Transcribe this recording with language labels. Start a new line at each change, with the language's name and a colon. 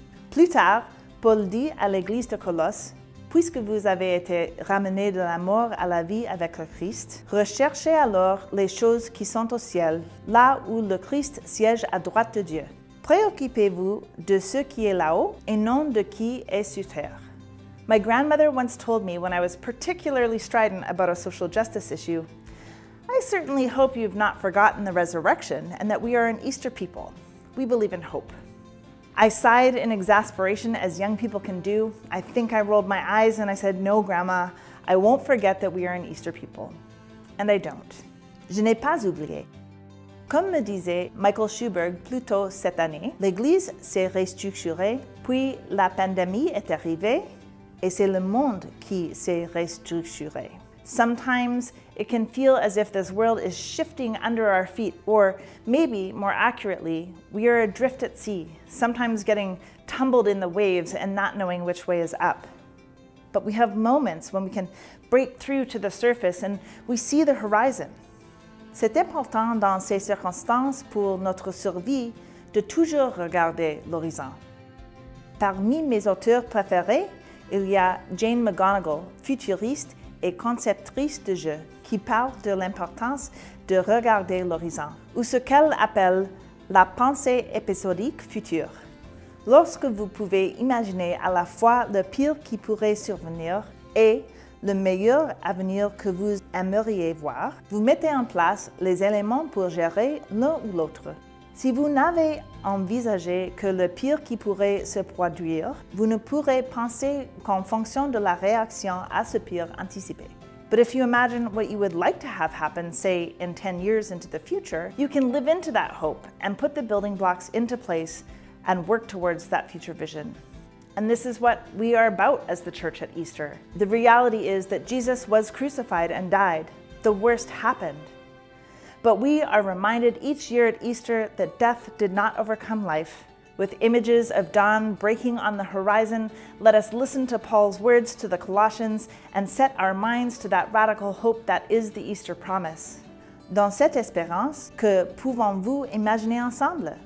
French: Plus tard, Paul dit à l'église de Colosse, puisque vous avez été ramenés de la mort à la vie avec le Christ, recherchez alors les choses qui sont au ciel, là où le Christ siège à droite de Dieu. Préoccupez-vous de ce qui est là-haut et non de qui est sur terre.
English: My grandmother once told me when I was particularly strident about a social justice issue, "I certainly hope you've not forgotten the resurrection and that we are an Easter people. We believe in hope." I sighed in exasperation, as young people can do. I think I rolled my eyes and I said, "No, Grandma, I won't forget that we are an Easter people." And I don't.
French: Je n'ai pas oublié. Comme me disait Michael Schuberg plus tôt cette année, l'Église s'est restructurée, puis la pandémie est arrivée, et c'est le monde qui s'est restructuré.
English: Sometimes it can feel as if this world is shifting under our feet, or maybe more accurately, we are adrift at sea, sometimes getting tumbled in the waves and not knowing which way is up. But we have moments when we can break through to the surface and we see the horizon.
French: C'est important dans ces circonstances pour notre survie de toujours regarder l'horizon. Parmi mes auteurs préférés, il y a Jane McGonigal, futuriste et conceptrice de jeux, qui parle de l'importance de regarder l'horizon, ou ce qu'elle appelle la pensée épisodique future. Lorsque vous pouvez imaginer à la fois le pire qui pourrait survenir et le meilleur avenir que vous aimeriez voir, vous mettez en place les éléments pour gérer l'un ou l'autre. Si vous n'avez envisagé que le pire qui pourrait se produire, vous ne pourrez penser qu'en fonction de la réaction à ce pire anticipé.
English: But if you imagine what you would like to have happen, say, in 10 years into the future, you can live into that hope and put the building blocks into place and work towards that future vision. And this is what we are about as the church at Easter. The reality is that Jesus was crucified and died. The worst happened. But we are reminded each year at Easter that death did not overcome life. With images of dawn breaking on the horizon, let us listen to Paul's words to the Colossians and set our minds to that radical hope that is the Easter promise.
French: Dans cette espérance, que pouvons-vous imaginer ensemble?